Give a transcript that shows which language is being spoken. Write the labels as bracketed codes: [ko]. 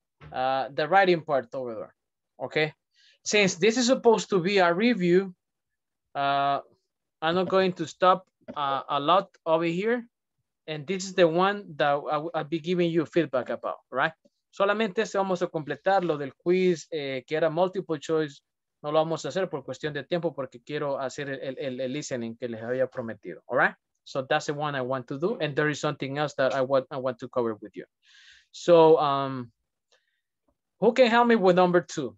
[en] The writing part over there, okay? Since this is supposed to be a review, I'm not going to stop a lot over here. And this is the one that I'll be giving you feedback about, right? [es] Solamente este vamos a completar lo del quiz que era multiple choice. No lo vamos a hacer por cuestión de tiempo porque quiero hacer el listening que les había prometido, all right? [en] So that's the one I want to do. And there is something else that I want to cover with you. So who can help me with number two?